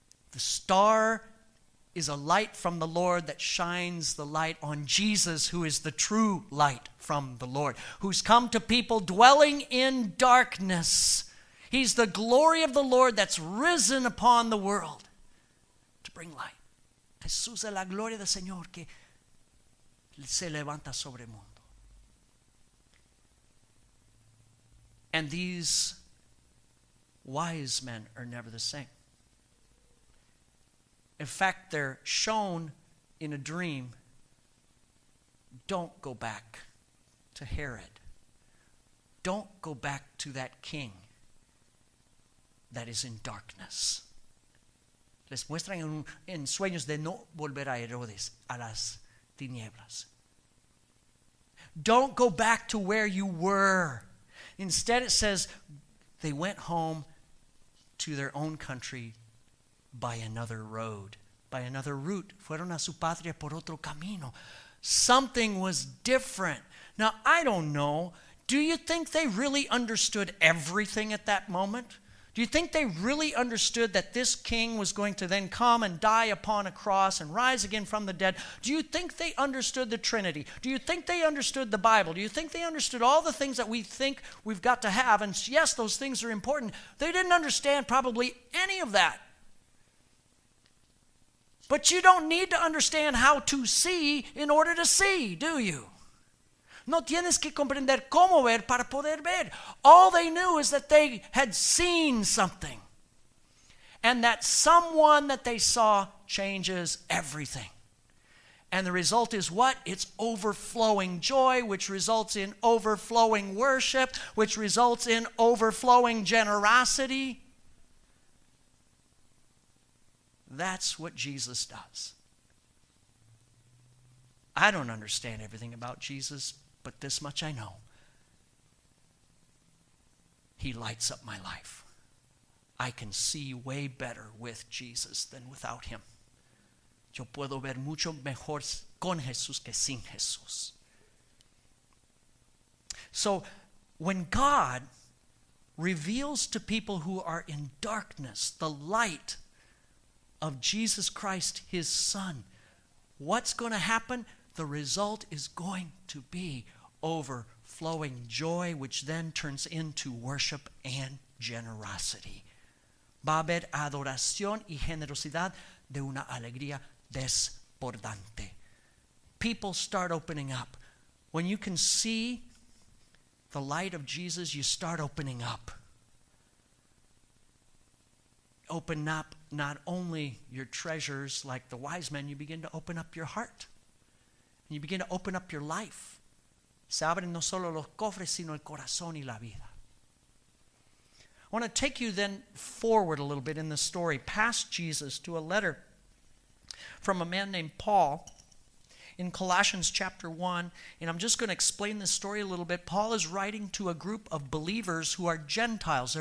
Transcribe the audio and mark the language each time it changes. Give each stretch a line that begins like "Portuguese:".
English: The star is a light from the Lord that shines the light on Jesus, who is the true light from the Lord, who's come to people dwelling in darkness. He's the glory of the Lord that's risen upon the world to bring light.
Spanish: Jesús es la gloria del Señor que se levanta sobre el mundo.
English: And these wise men are never the same. In fact, they're shown in a dream. Don't go back to Herod. Don't go back to that king that is in darkness.
Spanish: Les muestran en sueños de no volver a Herodes, a las tinieblas.
English: Don't go back to where you were. Instead, it says they went home to their own country by another road, by another route.
Spanish: Fueron a su patria por otro camino.
English: Something was different. Now, I don't know. Do you think they really understood everything at that moment? Do you think they really understood that this king was going to then come and die upon a cross and rise again from the dead? Do you think they understood the Trinity? Do you think they understood the Bible? Do you think they understood all the things that we think we've got to have? And yes, those things are important. They didn't understand probably any of that. But you don't need to understand how to see in order to see, do you?
Spanish: No tienes que comprender cómo ver para poder ver.
English: All they knew is that they had seen something. And that someone that they saw changes everything. And the result is what? It's overflowing joy, which results in overflowing worship, which results in overflowing generosity. That's what Jesus does. I don't understand everything about Jesus, but this much I know. He lights up my life. I can see way better with Jesus than without him.
Spanish: yo puedo ver mucho mejor con Jesús que sin Jesús.
English: So when God reveals to people who are in darkness the light of Jesus Christ, his Son, what's going to happen? The result is going to be overflowing joy, which then turns into worship and generosity.
Spanish: Va a haber adoración y generosidad de una alegría desbordante.
English: People start opening up. When you can see the light of Jesus, you start opening up. Open up not only your treasures like the wise men, you begin to open up your heart. And you begin to open up your life.
Spanish: Se abren no solo los cofres, sino el corazón y la vida.
English: I want to take you then forward a little bit in the story, past Jesus, to a letter from a man named Paul in Colossians chapter 1. And I'm just going to explain the story a little bit. Paul is writing to a group of believers who are Gentiles.